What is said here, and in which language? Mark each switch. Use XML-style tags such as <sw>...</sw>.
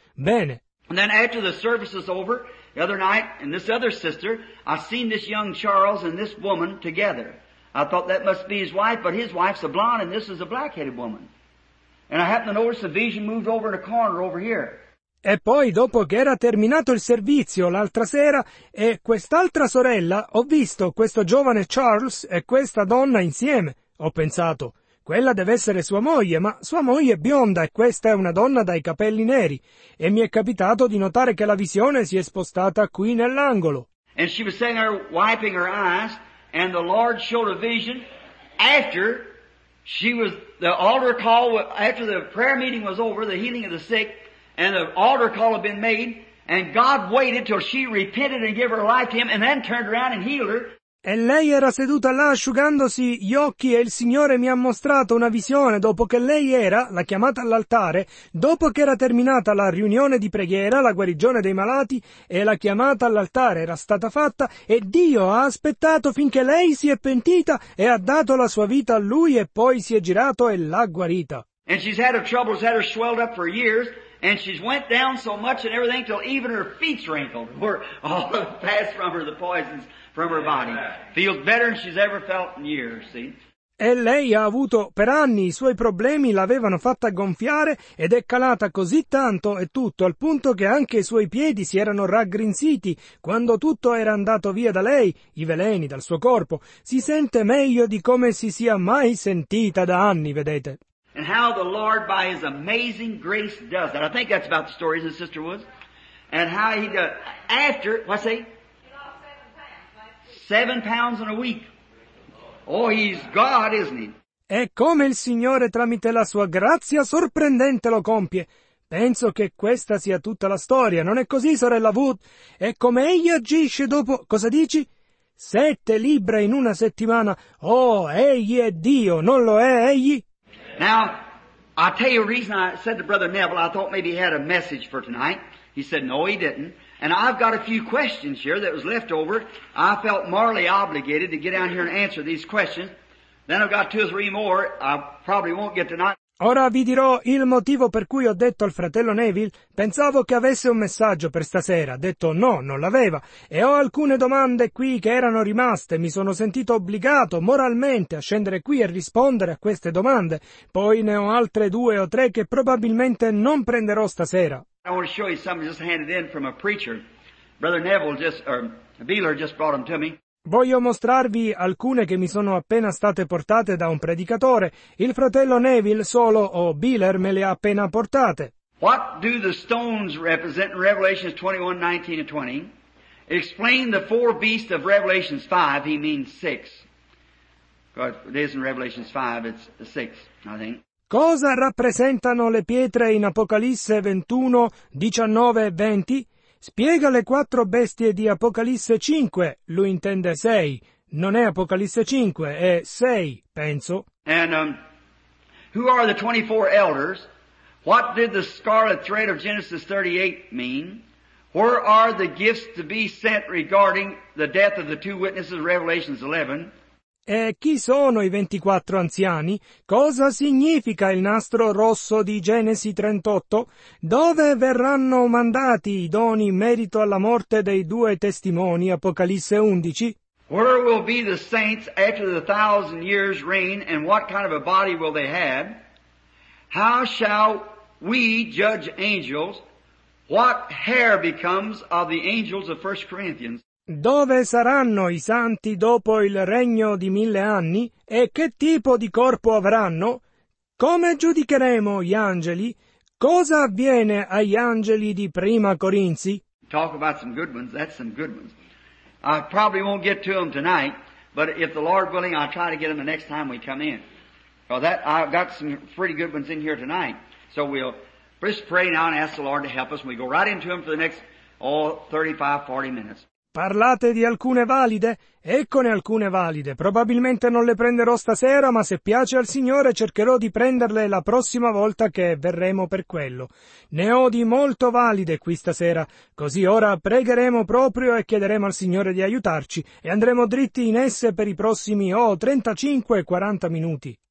<it>Bene.</it> <en>And then after the service is over, the other night, and this other sister, I seen this young Charles and this woman together. I thought that must be his wife, but his wife's a blonde and this is a black-headed woman. And I happened to notice the vision moved over in a corner over here.</en> <it>E poi, dopo che era terminato il servizio l'altra sera, e quest'altra sorella, ho visto questo giovane Charles e questa donna insieme. Ho pensato, quella deve essere sua moglie, ma sua moglie è bionda e questa è una donna dai capelli neri. E mi è capitato di notare che la visione si è spostata qui nell'angolo.</it> <en>And she was sitting there wiping her eyes, and the Lord showed a vision after she was, the altar call, after the prayer meeting was over, the healing of the sick, and the altar call had been made, and God waited till she repented and gave her life to him, and then turned around and healed her.</en> <it>E lei era seduta là asciugandosi gli occhi e il Signore mi ha mostrato una visione dopo che lei era, la chiamata all'altare, dopo che era terminata la riunione di preghiera, la guarigione dei malati e la chiamata all'altare era stata fatta e Dio ha aspettato finché lei si è pentita e ha dato la sua vita a lui e poi si è girato e l'ha guarita.</it> <en>And she's had her troubles that are swelled up for years. And she's went down so much and everything till even her feet's wrinkled were all passed from her, the poisons from her body. Feels better than she's ever felt in years, see?</en> <it>E lei ha avuto per anni i suoi problemi, l'avevano fatta gonfiare ed è calata così tanto e tutto, al punto che anche i suoi piedi si erano raggrinziti quando tutto era andato via da lei, i veleni dal suo corpo. Si sente meglio di come si sia mai sentita da anni, vedete.</it> <en>And how the Lord by His amazing grace does that. I think that's about the story, isn't it, Sister Woods? And how He does, after, what's he? He lost 7 pounds. 7 pounds in a week. Oh, He's God, isn't He?</en> <it>E come il Signore tramite la sua grazia sorprendente lo compie. Penso che questa sia tutta la storia, non è così, sorella Wood? E come Egli agisce dopo, cosa dici? 7 libbra in una settimana. Oh, Egli è Dio, non lo è Egli?</it> <en>Now, I tell you a reason I said to Brother Neville, I thought maybe he had a message for tonight. He said, no, he didn't. And I've got a few questions here that was left over. I felt morally obligated to get down here and answer these questions. Then I've got 2 or 3 more I probably won't get tonight.</en> <it>Ora vi dirò il motivo per cui ho detto al fratello Neville, pensavo che avesse un messaggio per stasera, ha detto no, non l'aveva, e ho alcune domande qui che erano rimaste, mi sono sentito obbligato moralmente a scendere qui e rispondere a queste domande, poi ne ho altre 2 o 3 che probabilmente non prenderò stasera.</it> <en>I want to show you something just handed in from a preacher. Brother Neville just, or Beeler just brought them to me.</en> <it>Voglio mostrarvi alcune che mi sono appena state portate da un predicatore. Il fratello Neville solo, o Beeler, me le ha appena portate.</it> <en>What do the stones represent in Revelations 21, 19 and 20? Explain the 4 beasts of Revelations 5, he means 6. God, it is in Revelations 5, it's 6, I think.</en> <it>Cosa rappresentano le pietre in Apocalisse 21, 19 e 20? Spiega le 4 bestie di Apocalisse 5, lui intende 6, non è Apocalisse 5, è 6, penso.</it> <en>And who are the 24 elders? What did the scarlet thread of Genesis 38 mean? Where are the gifts to be sent regarding the death of the 2 witnesses of Revelation 11?</en> <it>E chi sono i 24 anziani? Cosa significa il nastro rosso di Genesi 38? Dove verranno mandati i doni in merito alla morte dei 2 testimoni, Apocalisse 11?</it> <en>Where will be the saints after the 1,000 years reign, and what kind of a body will they have? How shall we judge angels? What hair becomes of the angels of 1 Corinthians?</en> <it>Dove saranno i santi dopo il regno di 1000 anni? E che tipo di corpo avranno? Come giudicheremo gli angeli? Cosa avviene agli angeli di Prima Corinzi?</it> <en>Talk about some good ones, that's some good ones. I probably won't get to them tonight, but if the Lord willing, I'll try to get them the next time we come in. Well, that, I've got some pretty good ones in here tonight. So we'll just pray now and ask the Lord to help us, and we go right into them for the next, 35-40 minutes.</en> <it>Parlate di alcune valide? Eccone alcune valide. Probabilmente non le prenderò stasera, ma se piace al Signore cercherò di prenderle la prossima volta che verremo per quello. Ne ho di molto valide qui stasera, così ora pregheremo proprio e chiederemo al Signore di aiutarci e andremo dritti in esse per i prossimi 35-40 minuti.</it>